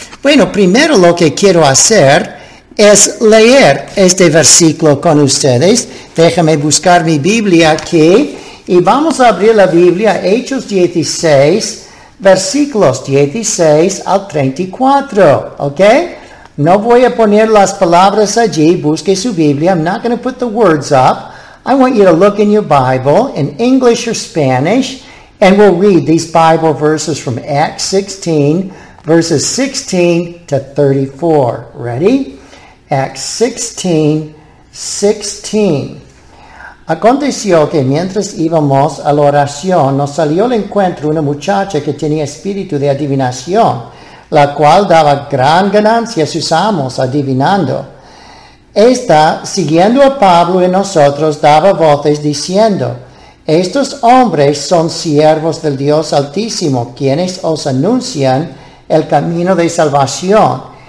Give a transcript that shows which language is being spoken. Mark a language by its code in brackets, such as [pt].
[es] Bueno, primero lo que quiero hacer es leer este versículo con ustedes. Déjame buscar mi Biblia aquí y vamos a abrir la Biblia, Hechos 16, versículos 16 al 34, ¿ok? No voy a poner las palabras allí, busque su Biblia. [en] I'm not going to put the words up. I want you to look in your Bible, in English or Spanish, and we'll read these Bible verses from Acts 16, verses 16 to 34. Ready? Acts 16, 16. [es] Aconteció que mientras íbamos a la oración, nos salió al encuentro una muchacha que tenía espíritu de adivinación, la cual daba gran ganancia a sus amos adivinando. Esta, siguiendo a Pablo y nosotros, daba voces diciendo, estos hombres son siervos del Dios Altísimo, quienes os anuncian el camino de salvación.